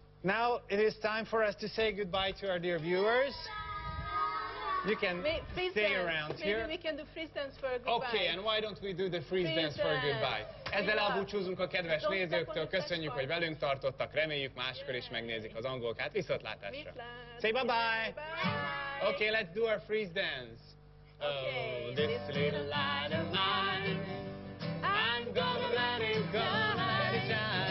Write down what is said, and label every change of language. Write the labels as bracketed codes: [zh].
[en] Now it is time for us to say goodbye to our dear viewers. You can stay around maybe here. Maybe we can do freeze dance for a goodbye. Okay, and why don't we do the freeze dance for a goodbye? [hu] Ezzel elbúcsúzunk a kedves nézőktől. Köszönjük, hogy velünk tartottak. Reméljük, máskor is megnézik az angolkát. Viszontlátásra. [en] Say bye-bye. Okay, let's do our freeze dance. Okay. Oh, this little light of mine, I'm gonna let it go.